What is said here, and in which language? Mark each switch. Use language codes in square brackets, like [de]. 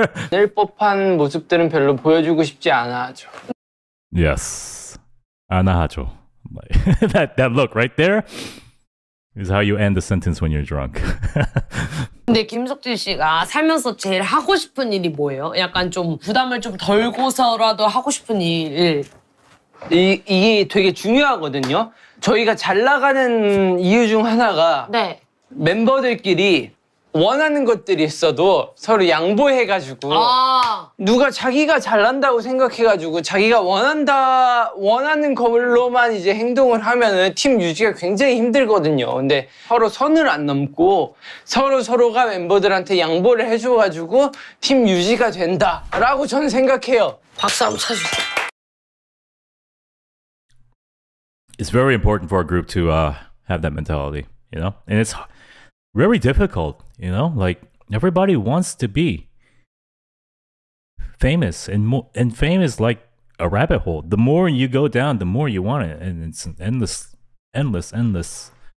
[ko] 낼 법한 모습들은 별로 보여주고 싶지 않아죠. [en] Yes. [ko] 안아줘. [en] that look right there is how you end the sentence when you're drunk. [ko] 근데 김석진 씨가 살면서 제일 하고 싶은 일이 뭐예요? 약간 좀 부담을 좀 덜고서라도 하고 싶은 일. 이게 되게 중요하거든요. 저희가 잘 나가는 이유 중 하나가 네. 멤버들끼리 원하는 것들이 있어도 서로 양보해가지고 아. 누가 자기가 잘난다고 생각해가지고 자기가 원한다 원하는 걸로만 이제 행동을 하면은 팀 유지가 굉장히 힘들거든요. 근데 서로 선을 안 넘고 서로 서로가 멤버들한테 양보를 해줘가지고 팀 유지가 된다라고 저는 생각해요. 박수 한번 쳐주세요. [en] It's very important for a group to have that mentality, you know, and it's very difficult, you know, like everybody wants to be famous and famous like a rabbit hole. The more you go down, the more you want it. And it's endless.